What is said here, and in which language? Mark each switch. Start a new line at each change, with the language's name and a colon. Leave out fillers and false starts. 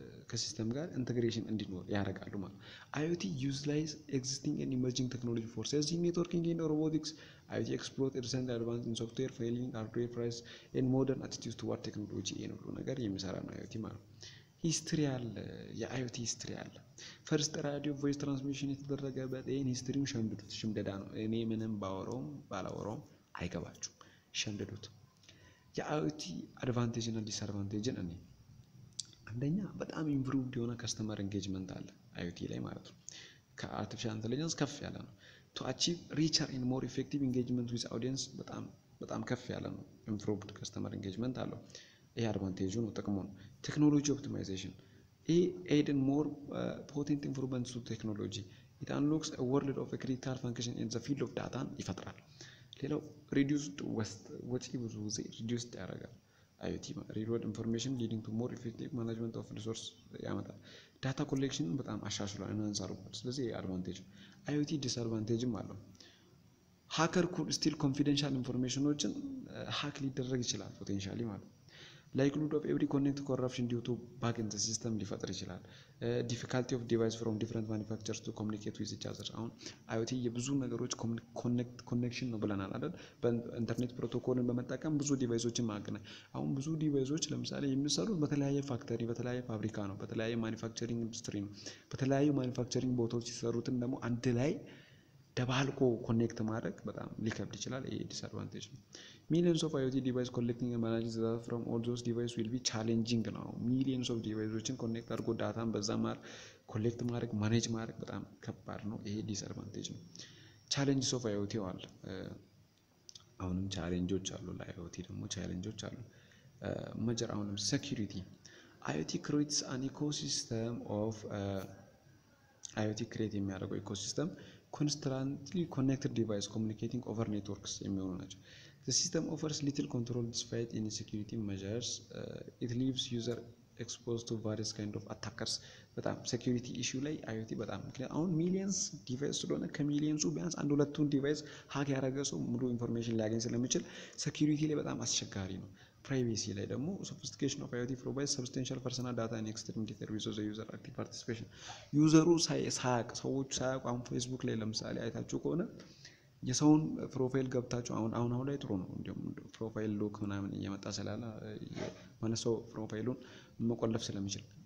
Amharic: ከሲስተም ጋር ኢንተግሬሽን እንዲኖር ያደርጋሉ ማለት ነው።
English: IoT utilizes existing and emerging technology for sensing, networking and robotics. IoT explores recent advances in software, failing hardware price and modern attitudes toward technology and all
Amharic: ነገር የሚሰራ ነው IoT ማለት ነው። History አለ የIoT history አለ። ፈርስት ራዲዮ ቮይስ ትራንስሚሽን የተደረገበት ይሄን history-ውን ሸምድዱት ሽምደዳ ነው። እኔ ምንም ባወራውም ባላወራውም አይገባችሁ ሸምደዱት። የIoT advantage እና disadvantage እንዴ? አንደኛ በጣም ኢምፕሩቭድ የሆነ ካስተመር ኢንጌጅመንት አለ IoT ላይ ማለት ነው። ከአርቲፊሻል ኢንተለጀንስ ከፍ ያለ ነው።
English: to achieve richer and more effective engagement with audience
Amharic: በጣም ከፍ ያለ ነው። ኢምፕሩቭድ ካስተመር ኢንጌጅመንት አለው። ይሄ አድቫንቴጁ ነው ጥቅሙ ነው። ቴክኖሎጂ ኦፕቲማይዜሽን
English: aid in more potent improvements to technology it unlocks a world of critical function in the field of data ይፈጥራል። ሌላው reduced waste which is usually reduced ያደርጋል IoT real-world information leading to more effective management of resource
Amharic: ያመጣል።
English: data collection
Amharic: በጣም አሻሽሏል እናንሳሩበት። ስለዚህ አድቫንቴጅ
English: IoT disadvantageም አለው። hacker could steal confidential informationዎችን hack ሊደረግ ይችላል potentially ማለት likelihood of every connect corruption due to bug in the system
Amharic: ሊፈጠር ይችላል።
English: difficulty of device from different manufacturers to communicate with each other
Amharic: አሁን IoT የብዙ ነገሮች connection ነው ብለናል አይደል? በኢንተርኔት ፕሮቶኮልን በመጠቀም ብዙ ዲቫይሶችን ማገናኘት። አሁን ብዙ ዲቫይሶች ለምሳሌ የሚሰሩት በተለያየ ፋክተሪ በተለያየ ፋብሪካ ነው በተለያየ ማኑፋክቸሪንግ ኢንዱስትሪ ነው በተለያየ ማኑፋክቸሪንግ ቦታዎች ሲሰሩትም ደግሞ አንድ ላይ ደባልቆ ኮኔክት ማድረግ በጣም ሊከብድ ይችላል። ይሄ ዲስአድቫንቴጅ ነው።
English: millions of IoT devices collecting and managing data from all those devices will be challenging
Amharic: ነው። millions of devices connect አድርጎ ዳታን በዛ ማር ኮሌክት ማድረግ ማኔጅ ማድረግ በጣም ከባድ ነው። ይሄ ዲስአድቫንቴጅ ነው። challenges of IoT አለ። አሁንም ቻሌንጆች አሉ። ለIoT ደግሞ ቻሌንጆች አሉ።
English: major አሁንም security IoT creates an ecosystem of IoT create የሚያደርገው ecosystem constantly connected device communicating over networks የሚሆኑ ናቸው። The system offers little control despite any security measures. It leaves user exposed to various kind of attackers.
Amharic: በጣም security issue ላይ IoT በጣም ምክንያቱም አሁን millions device ስለሆነ ከmillionsው ቢያንስ አንድ ሁለቱን device hack ያደረገ ሰው ሙሉ information ሊያገኝ ስለሚችል security ላይ በጣም አስቸጋሪ ነው። privacy ላይ ደግሞ
English: sophistication of IoT provides substantial personal data and extreme detail resources the user active participation
Amharic: ዩዘሩ ሳይሳቅ ሰዎች ሳይቀው አሁን Facebook ላይ ለምሳሌ አይታችሁ ከሆነ የሰውን ፕሮፋይል ገብታችሁ አሁን ላይ ጥሩ ነው እንዴ ፕሮፋይል ሎክ ምናምን እየመጣ ስለላለ ማነሰው ፕሮፋይሉን መቆለፍ ስለሚችል